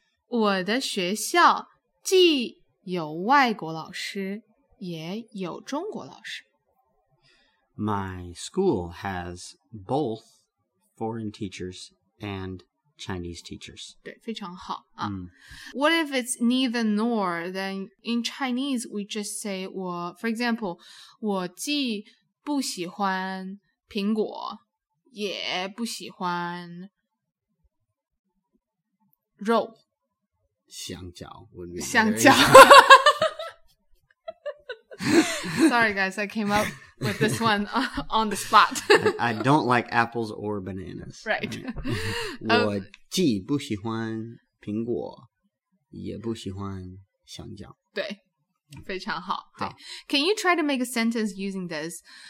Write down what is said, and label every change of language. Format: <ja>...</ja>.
<zh>我的学校既有外国老师也有中国老师。</zh> <en>My school has both foreign teachers and Chinese teachers.</en> <zh>对，非常好啊。</zh> <en>What if it's neither nor? Then in Chinese, we just say, for example,</en> <zh>我既不喜欢苹果也不喜欢肉。</zh> <en>香蕉would be</en> <zh>香蕉。</zh> <en>Sorry guys, I came up with this one on the spot. I don't like apples or bananas. Right.</en> <zh>我既不喜欢苹果也不喜欢香蕉。对，非常好。对。</zh> <en>Can you try to make a sentence using this?</en>